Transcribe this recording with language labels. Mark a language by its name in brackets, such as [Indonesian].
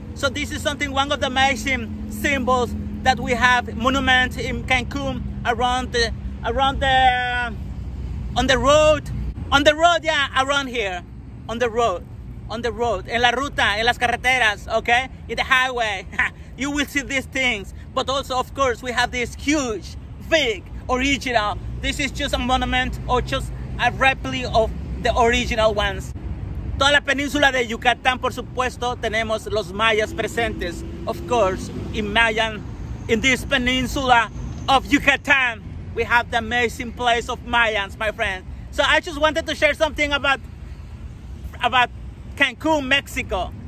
[English] So this is something, one of the amazing symbols that we have, monument in Cancun, around here, on the road. [Spanish] En la ruta, en las carreteras, okay? [English] In the highway, you will see these things. But also, of course, we have this huge, big, original. This is just a monument or just a replica of the original ones. [Spanish] Toda la península de Yucatán, por supuesto, tenemos los mayas presentes. [English] Of course, in Mayan, in this peninsula of Yucatán, we have the amazing place of Mayans, my friend. So I just wanted to share something about Cancún, Mexico.